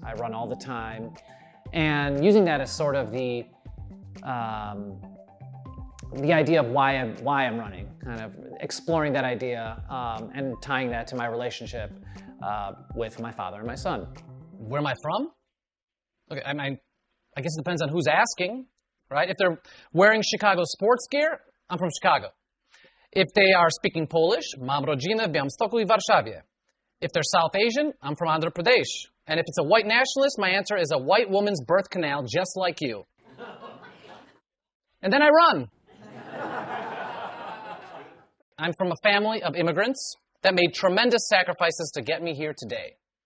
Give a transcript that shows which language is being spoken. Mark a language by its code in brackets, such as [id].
[en] I run all the time. And using that as sort of the idea of why I'm running, kind of exploring that idea and tying that to my relationship with my father and my son. Where am I from? Okay, I guess it depends on who's asking, right? If they're wearing Chicago sports gear, I'm from Chicago. If they are speaking Polish, [pl] mam rodzinę w Białymstoku I Warszawie. [en] If they're South Asian, I'm from Andhra Pradesh. And if it's a white nationalist, my answer is a white woman's birth canal, just like you. And then I run. I'm from a family of immigrants that made tremendous sacrifices to get me here today.